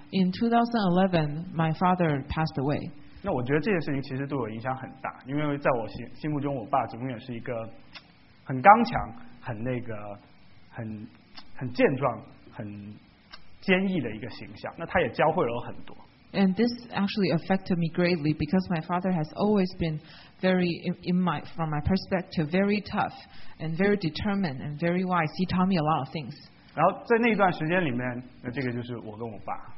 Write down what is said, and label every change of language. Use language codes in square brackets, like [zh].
[en] In 2011, my father passed away. [zh] 那我觉得这件事情其实对我影响很大，因为在我心目中，我爸永远是一个很刚强、很那个、很健壮、很坚毅的一个形象。那他也教会了我很多。 [en] And this actually affected me greatly because my father has always been very, from my perspective, very tough and very determined and very wise. He taught me a lot of things. [zh] 然后在那段时间里面，那这个就是我跟我爸。